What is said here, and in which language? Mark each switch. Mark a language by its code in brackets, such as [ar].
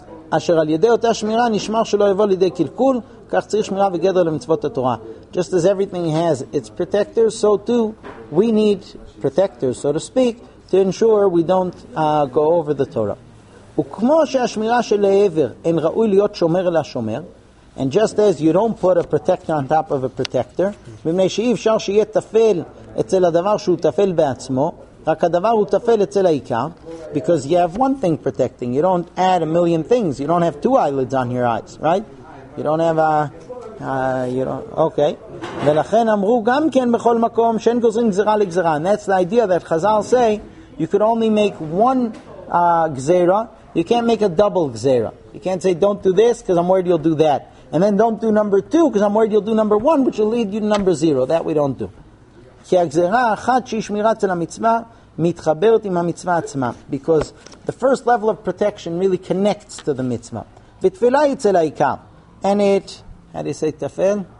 [he] אשר על ידי אותה שמירה נשמר שלא יבוא לידי קלקול, כך צריך שמירה וגדר למצוות התורה. [en] Just as everything has its protectors, so too we need protectors, so to speak, to ensure we don't go over the Torah. [he] וכמו שהשמירה של העבר אין ראוי להיות שומר אלא שומר, [en] and just as you don't put a protector [he] on top of a protector, במי שאי אפשר שיהיה תפל אצל הדבר שהוא תפל בעצמו, רק הדבר הוא תפל אצל העיקר, [en] because you have one thing protecting. You don't add a million things. You don't have two eyelids on your eyes, right? You don't have a... Okay. [he] ולכן אמרו גם כן בכל מקום שאין גוזרים גזירה לגזירה. [en] And that's the idea that Chazal say, you could only make one gzera. You can't make a double gzera. You can't say, don't do this because I'm worried you'll do that. And then don't do number two because I'm worried you'll do number one, which will lead you to number zero. That we don't do. [he] כי הגזירה אחת שהיא שמירה אצל המצווה מתחברת עם המצווה עצמה. [en] Because the first level of protection really connects to the mitzvah. [he] ותפילה אצל העיקר. [en] And it, how do you say תפל?